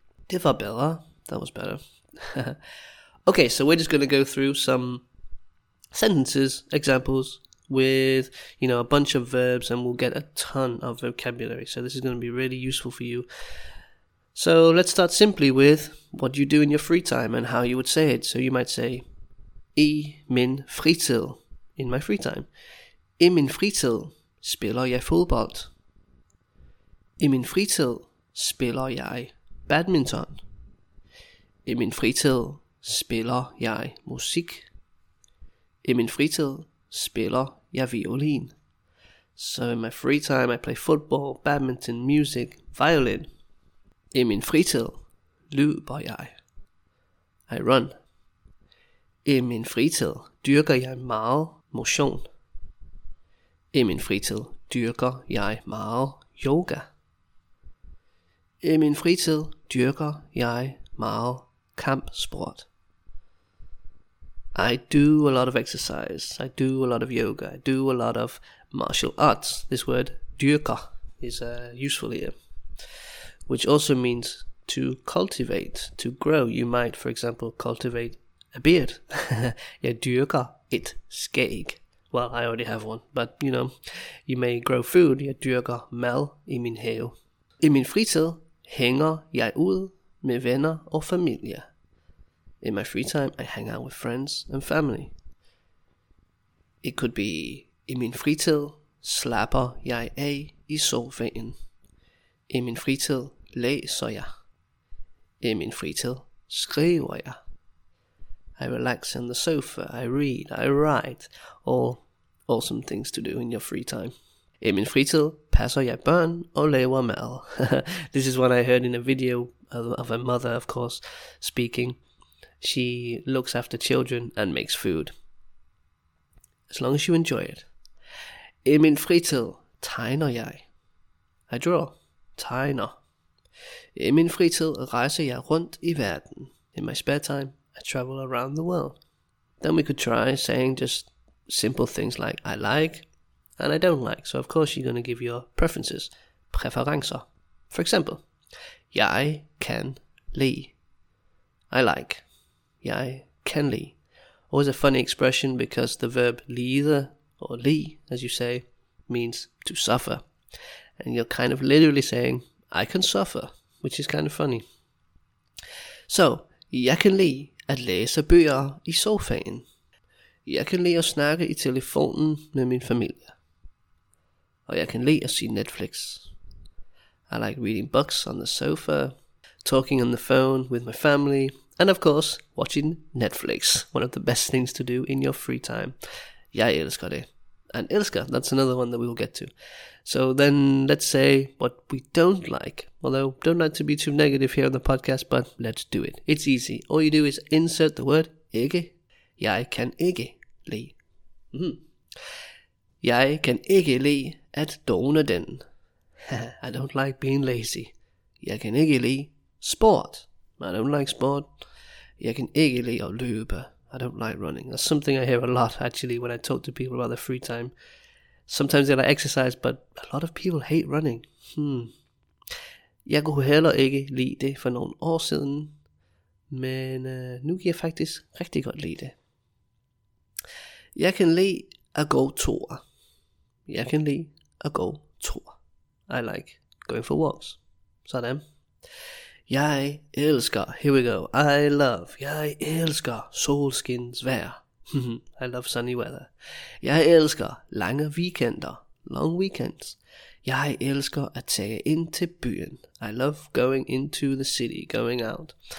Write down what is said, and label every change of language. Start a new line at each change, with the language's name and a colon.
Danish: Det var bedre.
English: That was better. Okay, so we're just going to go through some sentences, examples, with, you know, a bunch of verbs, and we'll get a ton of vocabulary. So this is going to be really useful for you. So let's start simply with what you do in your free time and how you would say it. So you might say,
Danish: I min fritid,
English: in my free time.
Danish: I min fritid spiller jeg fodbold. I min fritid spiller jeg badminton. I min fritid spiller jeg musik. I min fritid spiller jeg violin.
English: So in my free time I play football, badminton, music, violin.
Danish: I min fritid løber jeg.
English: I run.
Danish: I min fritid dyrker jeg meget motion. I min fritid dyrker jeg meget yoga. I min fritid dyrker jeg meget kampsport.
English: I do a lot of exercise. I do a lot of yoga. I do a lot of martial arts. This word dyrker is useful here, which also means to cultivate, to grow. You might, for example, cultivate a beard.
Danish: Jeg dyrker et skæg.
English: Well, I already have one, but you know, you may grow food.
Danish: Jeg dyrker mad I min have. I min fritid hænger jeg ud med venner og familie.
English: In my free time, I hang out with friends and family. It could be,
Danish: I min fritid slapper jeg af I sofaen. I min fritid læser jeg. I min fritid skriver jeg.
English: I relax on the sofa, I read, I write. All awesome things to do in your free time.
Danish: I min fritid passer jeg børn og laver mad.
English: This is what I heard in a video of a mother, of course, speaking. She looks after children and makes food. As long as you enjoy it.
Danish: I min fritid tegner jeg.
English: I draw. Tegner.
Danish: I min fritid rejser jeg rundt I verden.
English: In my spare time, I travel around the world. Then we could try saying just simple things like I like and I don't like. So of course you're going to give your preferences.
Danish: Preferencer.
English: For example,
Danish: jeg kan lide.
English: I like.
Danish: Jeg kan lide.
English: Always a funny expression because the verb lide or li, as you say, means to suffer. And you're kind of literally saying, I can suffer, which is kind of funny.
Danish: So, jeg kan lide at læse bøger I sofaen. Jeg kan lide at snakke I telefonen med min familie. Og jeg kan lide at se Netflix.
English: I like reading books on the sofa, talking on the phone with my family, and of course, watching Netflix, one of the best things to do in your free time.
Danish: Jeg elsker det.
English: And elsker, that's another one that we will get to. So then let's say what we don't like. Although, don't like to be too negative here on the podcast, but let's do it. It's easy. All you do is insert the word ikke.
Danish: Jeg kan ikke lide. Jeg kan ikke lide at dåne den.
English: I don't like being lazy.
Danish: Jeg kan ikke lide sport.
English: I don't like sport.
Danish: Jeg kan ikke lide at løbe.
English: I don't like running. That's something I hear a lot, actually, when I talk to people about their free time. Sometimes they like exercise, but a lot of people hate running.
Danish: Jeg kunne heller ikke lide det for nogle år siden, men nu kan jeg faktisk rigtig godt lide det. Jeg kan lide at gå tur. Jeg kan lide at gå tur.
English: I like going for walks. Sådan.
Danish: Jeg elsker,
English: here we go, I love,
Danish: jeg elsker solskins vejr.
English: I love sunny weather.
Danish: Jeg elsker lange weekender,
English: long weekends.
Danish: Jeg elsker at tage ind til byen.
English: I love going into the city, going out.